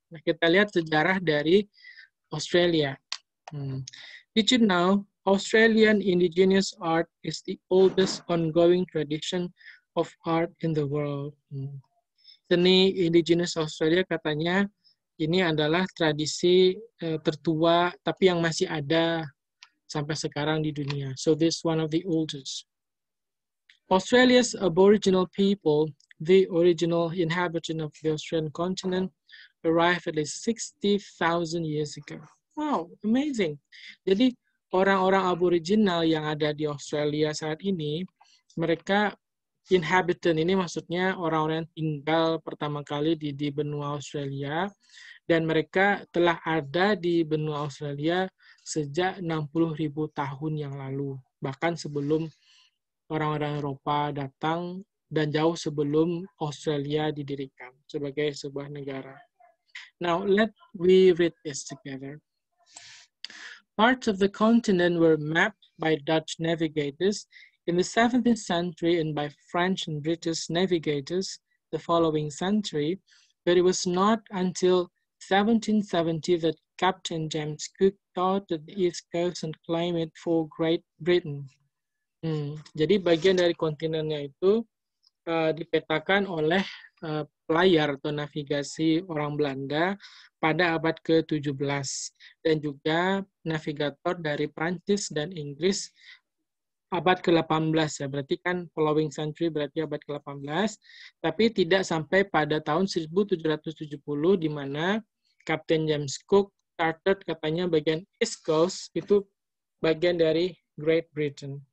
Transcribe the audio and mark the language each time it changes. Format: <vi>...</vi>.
<id>Nah, kita lihat sejarah dari Australia.</id> <en>Did you know Australian indigenous art is the oldest ongoing tradition of art in the world?</en> <id>Seni indigenous Australia katanya ini adalah tradisi tertua, tapi yang masih ada sampai sekarang di dunia.</id> <en>So this one of the oldest. Australia's Aboriginal people, the original inhabitant of the Australian continent, arrived at least 60,000 years ago. Wow, amazing.</en> <id>Jadi orang-orang Aboriginal yang ada di Australia saat ini, mereka inhabitant, ini maksudnya orang-orang yang tinggal pertama kali di benua Australia, dan mereka telah ada di benua Australia sejak 60.000 tahun yang lalu, bahkan sebelum orang-orang Eropa datang dan jauh sebelum Australia didirikan sebagai sebuah negara.</id> <en>Now, let we read this together. Parts of the continent were mapped by Dutch navigators in the 17th century and by French and British navigators the following century, but it was not until 1770 that Captain James Cook charted the east coast and climate for Great Britain.</en> <id>Jadi bagian dari kontinennya itu dipetakan oleh pelayar atau navigasi orang Belanda pada abad ke-17, dan juga navigator dari Prancis dan Inggris abad ke-18, ya, berarti kan</id> <en>following century</en> <id>berarti abad ke-18, tapi tidak sampai pada tahun 1770 di mana Kapten James Cook chartered, katanya, bagian East Coast itu bagian dari Great Britain.</id>